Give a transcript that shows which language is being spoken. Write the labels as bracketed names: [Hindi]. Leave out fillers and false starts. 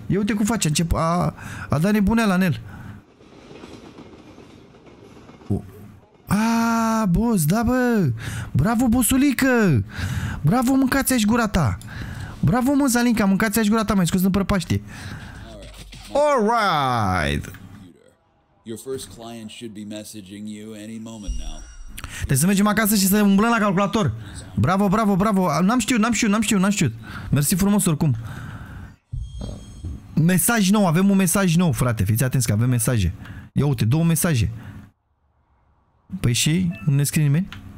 [Romanian] Ia uite cum face, a dat nebuneala în el. Aaa, boss, da, bă. Bravo, bosulică. Bravo, mâncați aș gura ta. Bravo, mă, Zalinca, mâncați aș gura ta. M-ai scos în prăpaștie. Alright. [English] Your first client should be messaging you any moment now. [Romanian] Trebuie să mergem acasă și să umblăm la calculator. Bravo, bravo, bravo. N-am știut. Mersi frumos oricum. Mesaj nou, avem un mesaj nou, frate. Fiți atenți că avem mesaje. Ia uite, două mesaje. Păi și nu ne scrie nimeni?